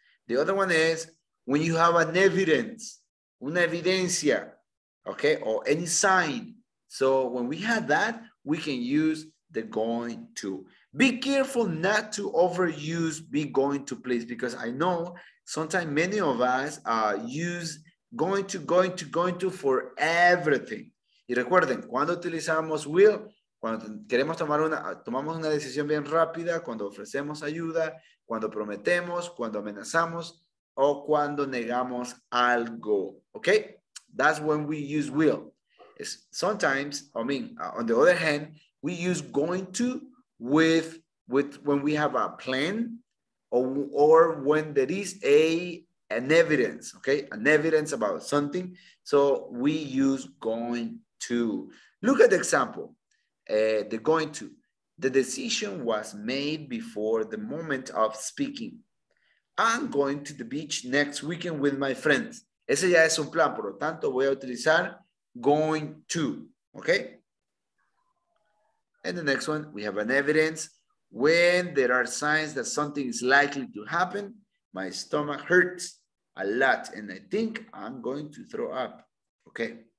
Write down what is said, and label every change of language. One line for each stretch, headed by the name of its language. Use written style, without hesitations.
English: The other one is when you have an evidence,
Spanish: una evidencia,
English: okay, or any sign. So when we have that, we can use the going to. Be careful not to overuse be going to, please, because I know sometimes many of us use going to for everything.
Spanish: Y recuerden, cuando utilizamos will, cuando queremos tomamos una decisión bien rápida, cuando ofrecemos ayuda, cuando prometemos, cuando amenazamos, o cuando negamos algo, okay?
English: That's when we use will. It's sometimes, I mean, on the other hand, we use going to with when we have a plan or when there is an evidence, okay? An evidence about something. So we use going to. Look at the example, the going to. The decision was made before the moment of speaking. I'm going to the beach next weekend with my friends.
Spanish: Ese ya es un plan, por lo tanto voy a utilizar going to, okay?
English: And the next one, we have an evidence. When there are signs that something is likely to happen, my stomach hurts a lot and I think I'm going to throw up, okay?